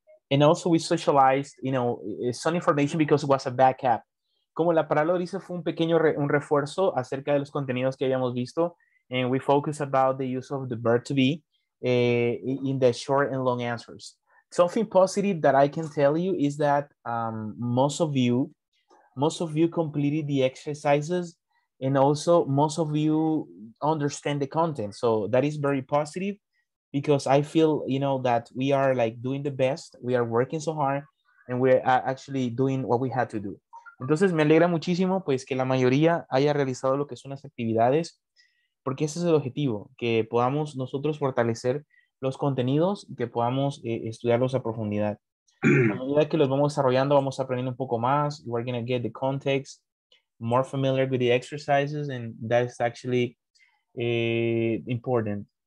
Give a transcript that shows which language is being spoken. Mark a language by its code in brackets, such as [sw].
[en] And also we socialized, you know, some information because it was a backup. [es] Como la palabra dice, fue un pequeño un refuerzo acerca de los contenidos que habíamos visto. [en] And we focus about the use of the verb to be in the short and long answers. Something positive that I can tell you is that most of you completed the exercises, and also most of you understand the content. So that is very positive. Because I feel, you know, that we are like doing the best, we are working so hard, and we're actually doing what we had to do. [es] Entonces, me alegra muchísimo, pues, que la mayoría haya realizado lo que son las actividades, porque ese es el objetivo, que podamos nosotros fortalecer los contenidos, que podamos estudiarlos a profundidad. A medida que los vamos desarrollando, vamos aprendiendo un poco más, [en] we're going to get the context, more familiar with the exercises, and that's actually important.